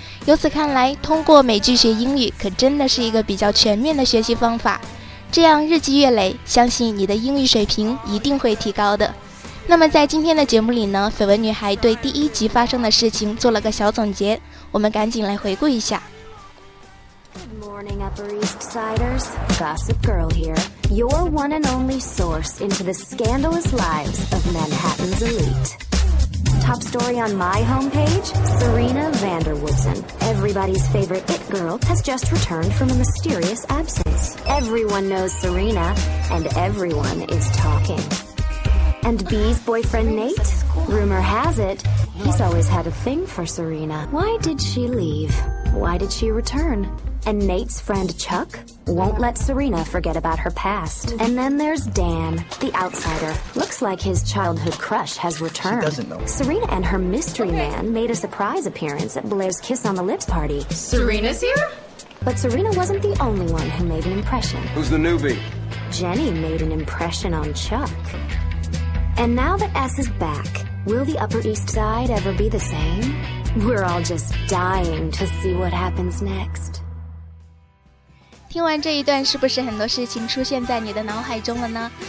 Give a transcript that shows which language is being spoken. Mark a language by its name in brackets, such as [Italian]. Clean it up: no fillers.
[Chinese] 由此看来，通过美剧学英语可真的是一个比较全面的学习方法，这样日积月累，相信你的英语水平一定会提高的。那么在今天的节目里呢，绯闻女孩对第一集发生的事情做了个小总结，我们赶紧来回顾一下。 [English] Good morning, Upper East Siders. Gossip Girl here, your one and only source into the scandalous lives of Manhattan's elite. Top story on my homepage, Serena Vanderwoodsen. Everybody's favorite it girl has just returned from a mysterious absence. Everyone knows Serena, and everyone is talking. And B's boyfriend Nate? Rumor has it, he's always had a thing for Serena. Why did she leave? Why did she return? And Nate's friend Chuck won't let Serena forget about her past. And then there's Dan, the outsider. Looks like his childhood crush has returned. She doesn't know. Serena and her mystery man made a surprise appearance at Blair's Kiss on the Lips party. Serena's here? But Serena wasn't the only one who made an impression. Who's the newbie? Jenny made an impression on Chuck. And now that S is back, will the Upper East Side ever be the same? We're all just dying to see what happens next. [Chinese] 听完这一段，是不是很多事情出现在你的脑海中了呢？